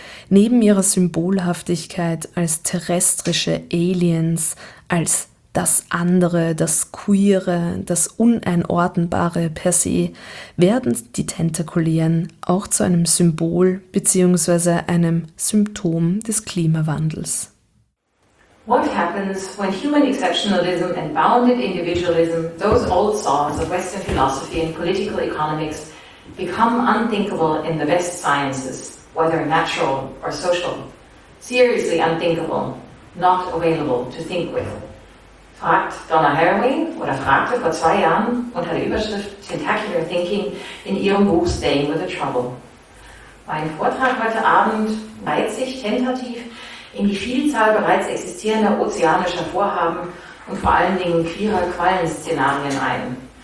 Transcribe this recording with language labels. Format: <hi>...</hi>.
<de>Neben ihrer Symbolhaftigkeit als terrestrische Aliens, als das Andere, das Queere, das Uneinordnbare per se, werden die Tentakulären auch zu einem Symbol bzw. einem Symptom des Klimawandels.</de> <en>What happens when human exceptionalism and bounded individualism, those old songs of Western philosophy and political economics, become unthinkable in the best sciences, whether natural or social? Seriously unthinkable, not available to think with.</en> <de>Fragt Donna Haraway, oder fragte vor zwei Jahren unter der Überschrift Tentacular Thinking in ihrem Buch Staying with the Trouble. Mein Vortrag heute Abend neigt sich tentativ in die Vielzahl bereits existierender ozeanischer Vorhaben und vor allen Dingen queerer Quallenszenarien ein.</de>